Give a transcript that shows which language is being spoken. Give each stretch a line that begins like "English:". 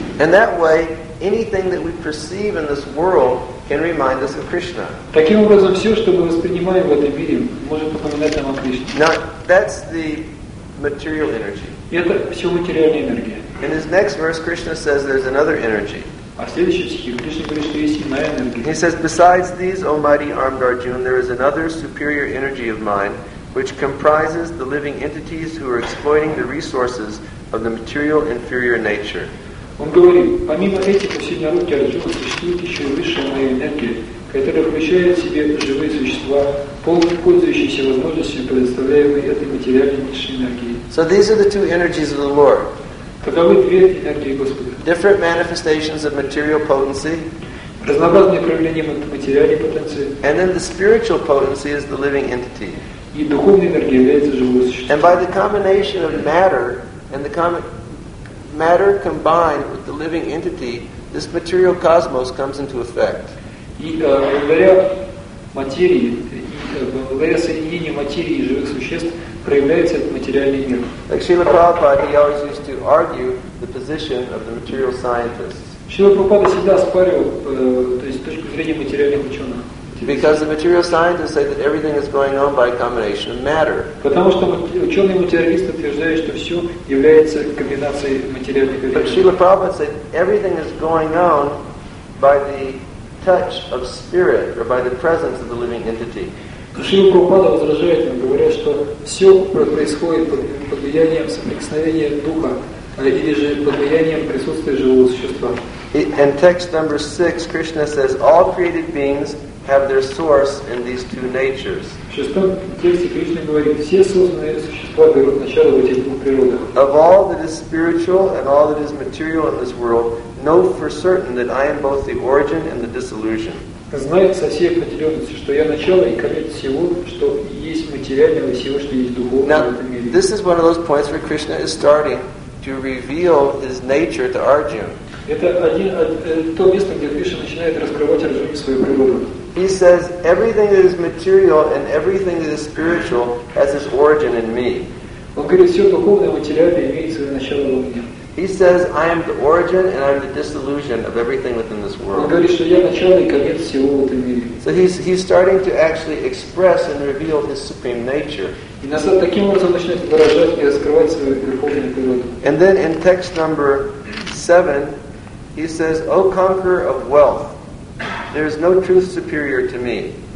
English: And that way, anything that we perceive in this world can remind us of Krishna.
Russian: Таким образом, все, что мы воспринимаем в этом мире, может напоминать нам о Кришне.
English: Now, that's the material energy.
Russian: Это все материальная энергия.
English: In his next verse, Krishna says there's another energy.
Russian: А в следующем стихе Кришна говорит, что есть иная энергия.
English: He says, besides these, O mighty armed Arjuna, there is another superior energy of mine, which comprises the living entities who are exploiting the resources of the material inferior nature.
Russian: Он говорит, помимо этих усилий руки Арджуны существует еще и высшая моя энергия, которая включает в себе живые существа, полностью пользующиеся возможностями, предоставляемой этой материальной низшей энергии.
English: So these are the two energies of the Lord.
Russian: Каковы две энергии Господа?
English: Different manifestations of material potency.
Russian: Разнообразные проявления материальной потенции.
English: And then the spiritual potency is the living entity.
Russian: И духовная энергия является живым существом.
English: And by the combination of matter and the matter combined with the living entity, this material cosmos comes into effect.
Russian: И благодаря материи, благодаря соединению материи и живых существ, проявляется этот материальный мир.
English: Like Srila Prabhupada, he always used to argue the position of the material scientists.
Russian: Srila Prabhupada всегда спорил, то есть с точки зрения материальных ученых.
English: Because the material scientists say that everything is going on by a combination of matter.
Russian: Потому что ученые-материалисты утверждают, что все является комбинацией материальных элементов.
English: But Srila Prabhupada said everything is going on by the touch of spirit or by the presence of the living entity.
Russian: Шрила Прабхупада возражает нам, говоря, что все происходит под влиянием соприкосновения духа или же под влиянием присутствия живого существа.
English: In text number 6, Krishna says, all created beings have their source in these two natures.
Russian: В шестом тексте Кришна говорит, все созданные существа берут начало в этих двух природах.
English: Of all that is spiritual and all that is material in this world, know for certain that I am both the origin and the dissolution.
Russian: Знает со всей определенностью, что я начало и конец всего, что есть материальное и всего, что есть духовное в этом мире.
English: Now, this is one of those points where Krishna is starting to reveal his nature to Arjuna.
Russian: Это то место, где Кришна начинает раскрывать Арджуне свою природу.
English: He says, everything that is material and everything that is spiritual has its origin in me.
Russian: Он говорит, все духовное, материальное имеет свое начало во мне.
English: He says, I am the origin and I am the dissolution of everything within this world.
Russian: Он говорит, что я начало и конец всего в этом мире.
English: So he's starting to actually express and reveal his supreme nature.
Russian: И на самом таким образом начинает выражать и раскрывать свою верховную природу.
English: And then in text number 7, he says, O conqueror of wealth, there is no truth superior to me.